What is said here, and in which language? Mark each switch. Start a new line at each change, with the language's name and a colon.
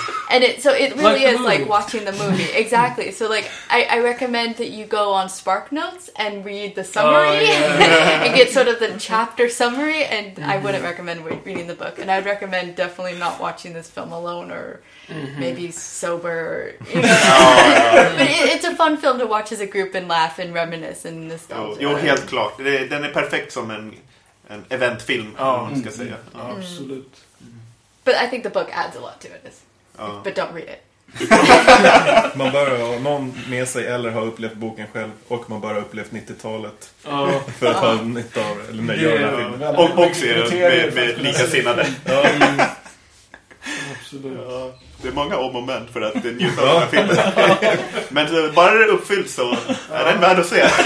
English: And it so it really like is like watching the movie. Exactly. So like I recommend that you go on SparkNotes and read the summary and get sort of the chapter summary, and I wouldn't recommend reading the book, and I'd recommend definitely not watching this film alone or maybe sober, you know. But it's a fun film to watch as a group and laugh and reminisce in this.
Swedish: Jo, helt klart. Den är perfekt som en eventfilm, ska säga. Absolut.
English: But I think the book adds a lot to it. But don't read it.
Swedish: Man bör ha någon med sig eller ha upplevt boken själv, och man bör ha upplevt 90-talet för att ha nytta av det, eller göra den här filmen. Och också är det med likasinnade. Absolut. Ja, det är många om och men för att det njuta av den här filmen. Men bara det är uppfyllt så är den värd att se.